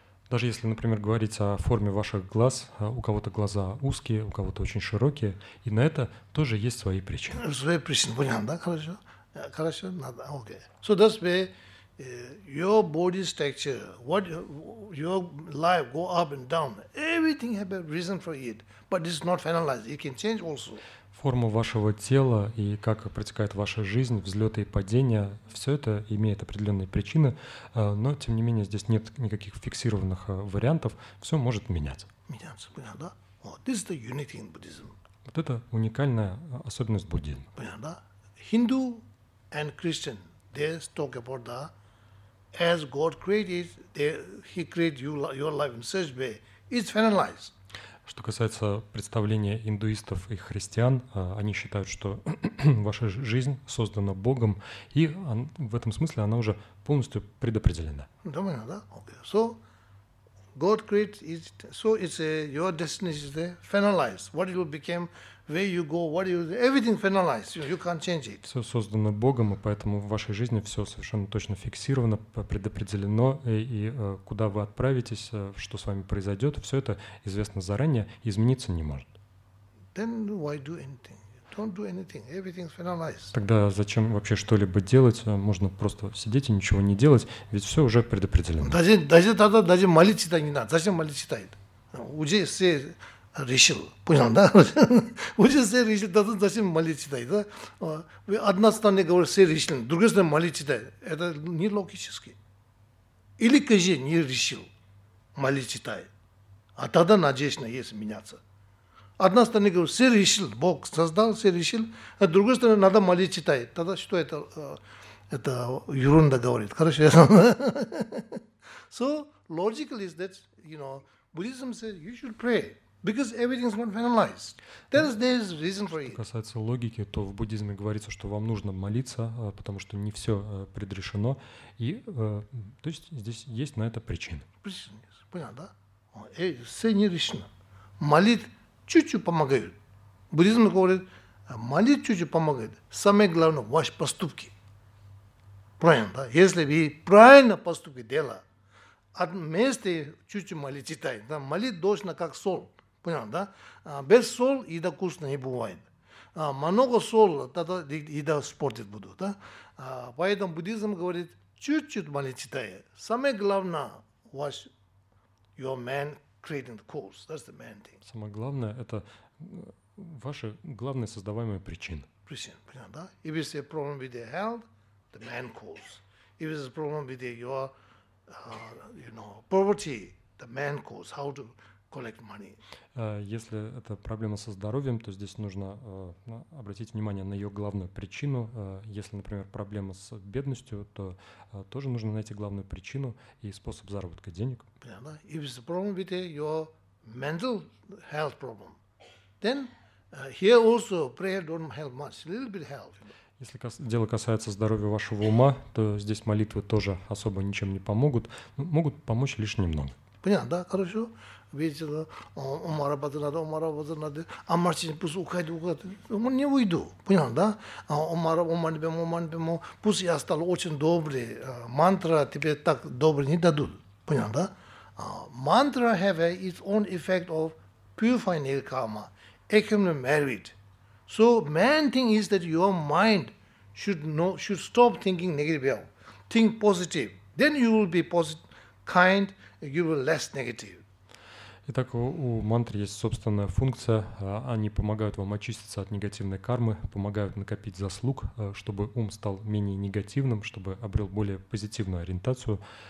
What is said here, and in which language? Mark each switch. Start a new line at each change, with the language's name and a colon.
Russian: Даже если, например, говорить о форме ваших глаз, у кого-то глаза узкие, у кого-то очень широкие, и на это тоже есть свои причины. Свои причины, понятно, да, хорошо? Хорошо, надо, окей.
English: So that's why your body structure, what your life go up and down, everything have a reason for it, but it's not finalized, it can change also.
Russian: Форма вашего тела и как протекает ваша жизнь, взлеты и падения, все это имеет определенные причины, но, тем не менее, здесь нет никаких фиксированных вариантов, все может меняться. Меняться, понятно, да?
English: Oh, this is the unique thing in Buddhism.
Russian: Вот это уникальная особенность буддизма. Понятно, да?
English: Hindu and Christian, they talk about the as God created, he created you, your life in such way, it's finalized.
Russian: Что касается представления индуистов и христиан, они считают, что ваша жизнь создана Богом, и в этом смысле она уже полностью предопределена. Думаю, да? Okay.
English: So, God created it, so it's your destiny is there, finalized. What you became, where you go, what you, everything finalized, you can't change it.
Russian: Все создано Богом, и поэтому в вашей жизни все совершенно точно фиксировано, предопределено, и куда вы отправитесь, что с вами произойдет, все это известно заранее, измениться не может.
English: Then why do anything? Don't do anything. Everything's finalized.
Russian: Тогда зачем вообще что-либо делать? Можно просто сидеть и ничего не делать, ведь все уже предопределено. Даже молиться-то не надо. Зачем молиться читает? Уже все решил. Понял, да? Уже все решил. Зачем молиться читает? Да? Одна сторона говорит, все решили. Другая сторона молиться читает. Это нелогически. Или кажи, не решил молиться читает. А тогда надежда есть меняться. Одна сторона говорит, все решил, Бог создал, все решил. А другая сторона, надо молить читать. Тогда что это ерунда говорит. Хорошо, я знаю.
English: So, logical is that, you know, Buddhism says you should pray. Because everything is not finalized. There is reason for it.
Russian: Что касается логики, то в буддизме говорится, что вам нужно молиться, потому что не все предрешено. И, то есть, здесь есть на это причина. Причина есть. Понятно, да? Все не решено. Молить чуть-чуть помогают. Буддизм говорит, молитва чуть-чуть помогает. Самое главное, ваши поступки. Правильно, да? Если вы правильно поступки делаете, вместе чуть-чуть молитва читаете. Да? Молитва должна как соль. Понятно, да? Без соли еда вкусная не бывает. Много соли, тогда еда испортит будет. Да? Поэтому буддизм говорит, чуть-чуть молитва читаете. Самое главное, ваш
English: your man creating the cause. That's the main thing.
Russian: Самое главное – это ваша главная создаваемая причина. Причина, понятно, да?
English: If it's a problem with your health, the main cause. If it's a problem with your, you know, poverty, the main cause. How to collect money.
Russian: Если это проблема со здоровьем, то здесь нужно обратить внимание на ее главную причину. Если, например, проблема с бедностью, то тоже нужно найти главную причину и способ заработка денег. Понятно.
English: If it's a problem with your mental health problem, then here also prayer don't help much. A little bit help.
Russian: Если дело касается здоровья вашего ума, то здесь молитвы тоже особо ничем не помогут. Ну, могут помочь лишь немного. Понятно, да? Хорошо. Видите, ума работать надо, ума работать надо. А Мартин, пусть уходит, уходит. Он не уйду. Понятно, да? Ума не бему. Пусть я стал очень добрый. Мантра тебе так добрый не дадут. Понятно, да?
English: Мантра have its own effect of purifying karma, accumulating merit. So main thing is that your mind should stop thinking negative. Think positive. Then you will be kind, you will less negative.
Russian: Итак, у мантры есть собственная функция. Они помогают вам очиститься от негативной кармы, помогают накопить заслуг, чтобы ум стал менее негативным, чтобы обрел более позитивную ориентацию.